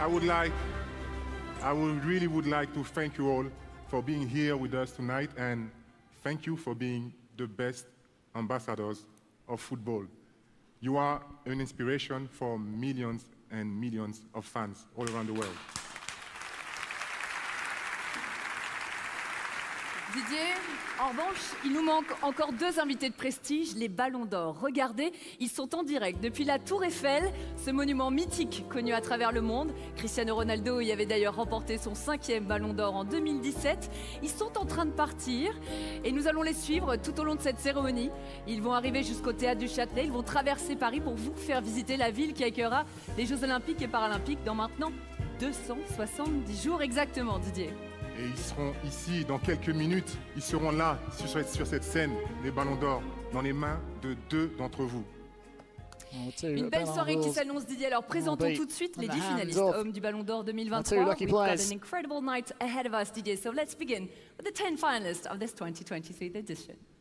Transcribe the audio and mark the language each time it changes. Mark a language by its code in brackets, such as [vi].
[en] I would really like to thank you all for being here with us tonight, and thank you for being the best ambassadors of football. You are an inspiration for millions and millions of fans all around the world. [fr] Didier, en revanche, il nous manque encore deux invités de prestige, les Ballons d'Or. Regardez, ils sont en direct depuis la Tour Eiffel, ce monument mythique connu à travers le monde. Cristiano Ronaldo y avait d'ailleurs remporté son 5e Ballon d'Or en 2017. Ils sont en train de partir et nous allons les suivre tout au long de cette cérémonie. Ils vont arriver jusqu'au Théâtre du Châtelet, ils vont traverser Paris pour vous faire visiter la ville qui accueillera les Jeux Olympiques et Paralympiques dans maintenant 270 jours exactement, Didier. Et ils seront ici dans quelques minutes, ils seront là, sur cette scène, les Ballons d'Or, dans les mains de deux d'entre vous. Une belle soirée qui s'annonce, Didier. Alors présentons tout de suite les 10 finalistes hommes du Ballon d'Or 2023. [en] We've got an incredible night ahead of us, Didier. So let's begin with the 10 finalists of this 2023 edition.